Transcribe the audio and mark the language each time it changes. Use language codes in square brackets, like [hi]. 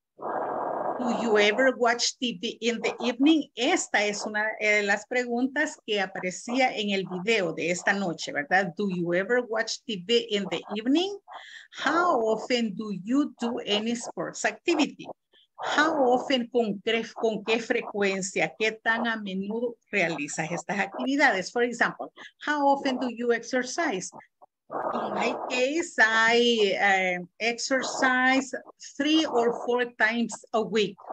[en] Do you ever watch TV in the evening? [es] Esta es una de las preguntas que aparecía en el video de esta noche, ¿verdad? [en] Do you ever watch TV in the evening? How often do you do any sports activity? How often, [es] con qué frecuencia, qué tan a menudo realizas estas actividades? [en] For example, how often do you exercise? In my case, I exercise 3 or 4 times a week.